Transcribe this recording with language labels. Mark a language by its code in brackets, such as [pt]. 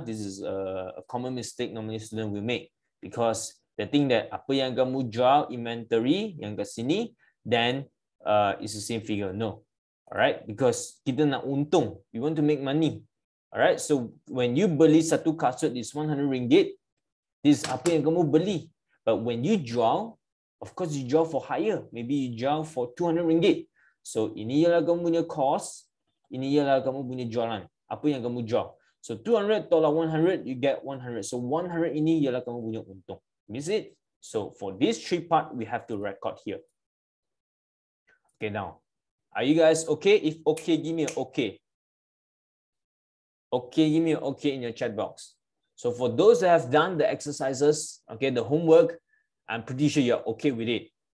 [en] This is a common mistake normally student will make. Because they think that [ms] apa yang kamu jual inventory yang kat sini, [en] then it's the same figure. No. Alright, because [ms] kita nak untung, [en] we want to make money. Alright, so when you [ms] beli satu [en] kasut is 100 ringgit, this [ms] apa yang kamu beli. [en] But when you draw, of course you draw for higher. Maybe you draw for 200 ringgit. [ms] So ini ialah kamu punya cost, ini ialah kamu punya jualan. Apa yang kamu draw? So 200 tolak 100, [en] you get [ms] 100. So 100 ini ialah kamu punya untung. [en] Miss it? So for this 3 part, we have to record here. Okay, now. Are you guys okay? If okay, give me an okay. Okay, give me an okay in your chat box. So for those that have done the exercises, okay, the homework, I'm pretty sure you're okay with it.